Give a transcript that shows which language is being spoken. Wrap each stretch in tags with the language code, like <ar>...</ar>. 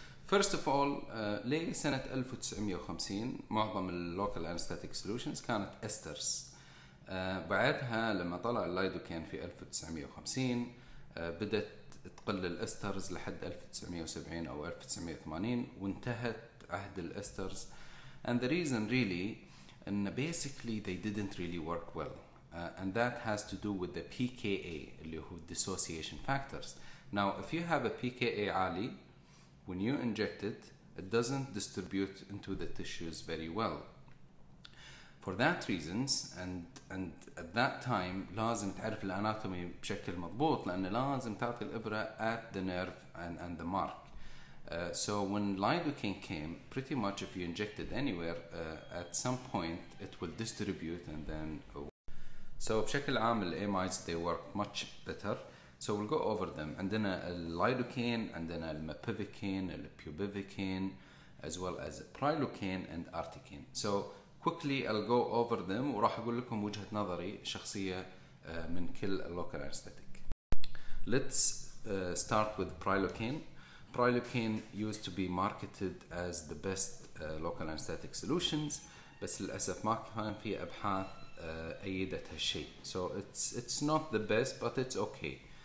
<en>First of all،</en> <ar>ليه سنة 1950 معظم الـ local anesthetic solutions كانت esters؟ بعدها لما طلع اللايدوكين في 1950 بدأت تقل الاسترز لحد 1970 أو 1980 وانتهت عهد الاسترز.</ar> <en>And the reason really أن basically they didn't really work well. And that has to do with the PKA, dissociation factors. Now, if you have a PKA عالي, when you inject it, it doesn't distribute into the tissues very well. For that reasons, and at that time,</en> <ar>لازم تعرف الاناتومي بشكل مضبوط لأن لازم تعطي الإبرة</ar> <en>at the nerve and the mark. So when lidocaine came, pretty much if you inject it anywhere, at some point it will distribute and then. So</en> <ar>بشكل عام</ar> <en>the AMIs they work much better. So we'll go over them.</en> <ar>عندنا اللايدوكين، عندنا المبيفيكين، البيوبيفيكين،</ar> <en>as well as</en> <ar>برايلوكين and ارتيكين.</ar> <en>So quickly I'll go over them</en> <ar>وراح أقول لكم وجهة نظري شخصية من كل local anesthetic.</ar> <en>Let's start with prilocaine. Prilocaine used to be marketed as the best local anesthetic solutions،</en> <ar>بس للأسف ما كان في أبحاث أيدت هالشيء.</ar> <en>So it's not the best but it's okay.</en>